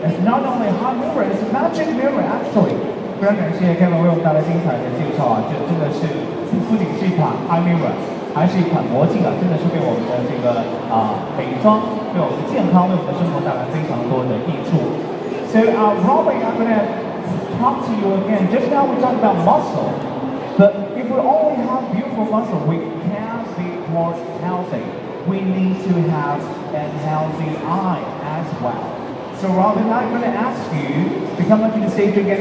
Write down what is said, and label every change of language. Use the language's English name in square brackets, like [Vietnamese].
[English] It's not only a hot mirror, it's a magic mirror, actually. [Chinese] 非常感谢 Kevin 为我们带来精彩的介绍啊！这真的是不仅是一款 hot mirror， 还是一款魔镜啊！真的是为我们的这个美妆、为我们的健康、为我们的生活带来非常多的益处。 [English] So, Robin, I'm gonna talk to you again. Just now we talked about muscle, but if we only have beautiful muscle, we can't be more healthy. We need to have a healthy eye as well. So Robin, I'm going to ask you to come up to the stage again.